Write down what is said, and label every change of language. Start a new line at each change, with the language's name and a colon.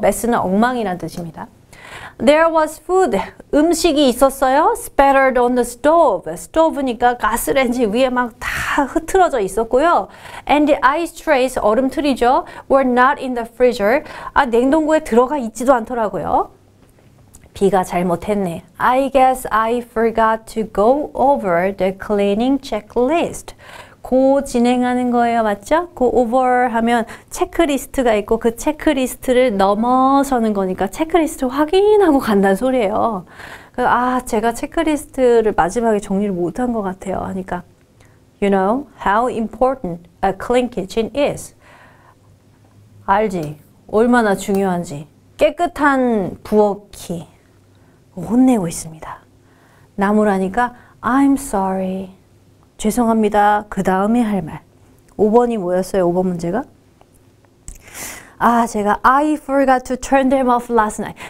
Korean: mess는 엉망이란 뜻입니다.
English: There was food.
Korean: 음식이 있었어요.
English: Spattered on the stove.
Korean: stove니까 가스레인지 위에 막 다 흐트러져 있었고요.
English: And the ice trays,
Korean: 얼음틀이죠.
English: Were not in the freezer.
Korean: 아, 냉동고에 들어가 있지도 않더라고요. 비가 잘못했네.
English: I guess I forgot to go over the cleaning checklist.
Korean: 고 진행하는 거예요. 맞죠? 고 over 하면 체크리스트가 있고 그 체크리스트를 넘어서는 거니까 체크리스트 확인하고 간다는 소리예요. 아, 제가 체크리스트를 마지막에 정리를 못한 것 같아요. 하니까
English: You know how important a clean kitchen is.
Korean: 알지? 얼마나 중요한지. 깨끗한 부엌이 혼내고 있습니다. 나무라니까
English: I'm sorry.
Korean: 죄송합니다. 그 다음에 할 말. 5번이 뭐였어요? 5번 문제가? 아, 제가
English: I forgot to turn them off last night.